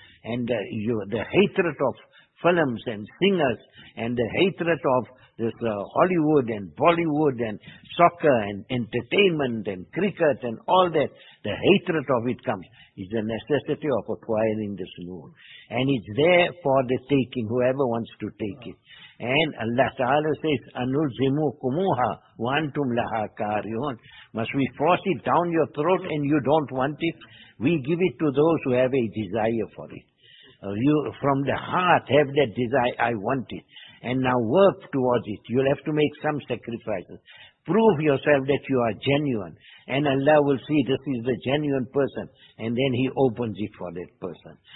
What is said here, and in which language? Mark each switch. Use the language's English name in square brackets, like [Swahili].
[English] And the hatred of films and singers and the hatred of this Hollywood and Bollywood and soccer and entertainment and cricket and all that, the hatred of it comes, is the necessity of acquiring this nur. And it's there for the taking, whoever wants to take it. And Allah Ta'ala says, [Arabic] أَنُلْزِمُوا كُمُوهَا وَأَنْتُمْ لَهَا كَارِهُونَ. [English] Must we force it down your throat and you don't want it? We give it to those who have a desire for it. you from the heart have that desire, I want it, and now work towards it. You'll have to make some sacrifices. Prove yourself that you are genuine, and Allah will see this is the genuine person, and then He opens it for that person.